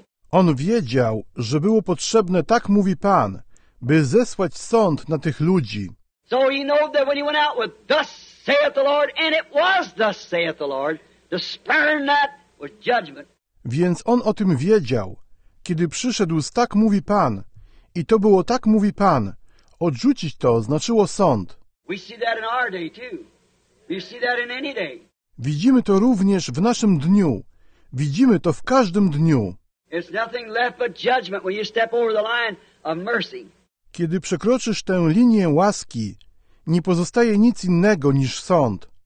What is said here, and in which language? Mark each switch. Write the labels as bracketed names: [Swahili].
[Polish] On wiedział, że było potrzebne, tak mówi Pan, by zesłać sąd na tych ludzi. [English] So he knew that when he went out with thus saith the Lord, and it was thus saith the Lord, to spurn that was judgment. [Polish] Więc on o tym wiedział, kiedy przyszedł z tak mówi Pan, i to było tak mówi Pan, odrzucić to znaczyło sąd. [English] We see that in our day too. We see that in any day. [Polish] Widzimy to również w naszym dniu. Widzimy to w każdym dniu. [English] It's nothing left but judgment when you step over the line of mercy. [Polish] Kiedy przekroczysz tę linię łaski, nie pozostaje nic innego niż sąd.